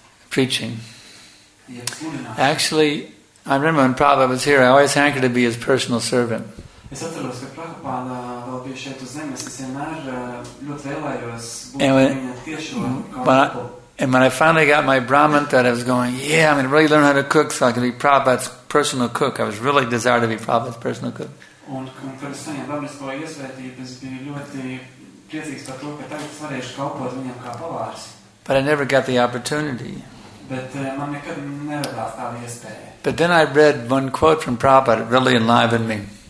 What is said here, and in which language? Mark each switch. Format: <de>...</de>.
<en>Preaching. Actually, I remember when Prabhupada was here, I always hankered to be his personal servant.</en> <lv>Es atceros, ka Prabhupāda vēl bija šeit uz zemes, es vienmēr ļoti vēlējos būt viņa tiešo.</lv> <en>And when I finally got my Brahman thread, I was going, yeah, I'm going to really learn how to cook so I can be Prabhupāda's personal cook. I was really desired to be Prabhupāda's personal cook.</en> <lv>Un kad es saņēmu dabisko iesvētību, es biju ļoti priecīgs par to, ka tagad varēšu kalpot viņam kā pavārs.</lv> <en>But I never got the opportunity.</en> <lv>Bet man nekad neradās tāda iespēja.</lv> <en>But then I read one quote from Prabhupāda, it really enlivened me.</en>